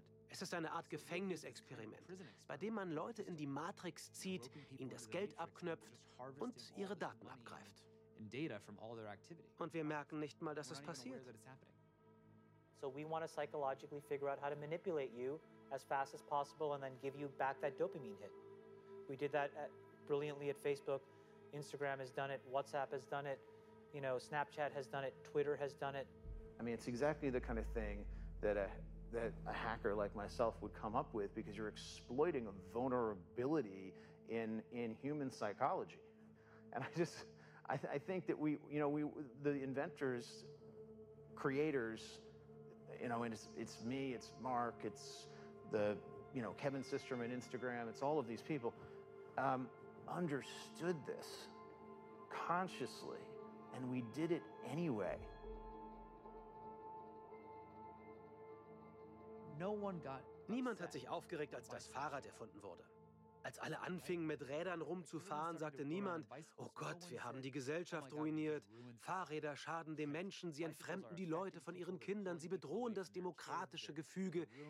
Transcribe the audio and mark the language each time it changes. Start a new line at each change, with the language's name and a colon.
German: Es ist eine Art Gefängnisexperiment, bei dem man Leute in die Matrix zieht, ihnen das Geld abknöpft und ihre Daten abgreift. Und wir merken nicht mal, dass es passiert.
English: So we want to psychologically figure out how to manipulate you as fast as possible and then give you back that dopamine hit. We did that brilliantly at Facebook. Instagram has done it. WhatsApp has done it. You know, Snapchat has done it. Twitter has done it. I mean, it's exactly the kind of thing that a hacker like myself would come up with, because you're exploiting a vulnerability in human psychology. And I think that the inventors, creators, you know, and it's me, it's Mark, it's the, you know, Kevin Systrom at Instagram, it's all of these people, understood this consciously, and we did it anyway.
German: Niemand hat sich aufgeregt, als das Fahrrad erfunden wurde. Als alle anfingen, mit Rädern rumzufahren, sagte niemand: Oh Gott, wir haben die Gesellschaft ruiniert. Fahrräder schaden den Menschen, sie entfremden die Leute von ihren Kindern, sie bedrohen das demokratische Gefüge.